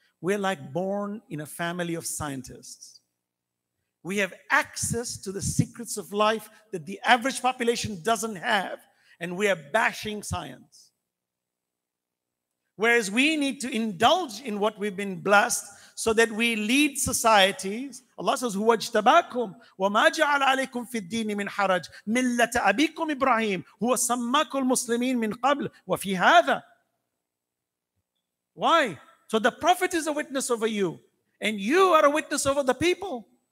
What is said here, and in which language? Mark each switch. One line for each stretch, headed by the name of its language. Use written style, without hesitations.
English: We're like born in a family of scientists. We have access to the secrets of life that the average population doesn't have. And we are bashing science. Whereas we need to indulge in what we've been blessed so that we lead societies. Allah says,
Arabic: وَاجْتَبَاكُمْ وَمَا جَعَلَ عَلَيْكُمْ فِي الدِّينِ مِنْ حَرَجٍ مِلَّةَ أَبِيكُمْ إِبْرَاهِيمُ هُوَ سَمَّاكُ الْمُسْلِمِينَ مِنْ قَبْلِ وَفِي هَذَا.
English: Why? So the prophet is a witness over you, and you are a witness over the people.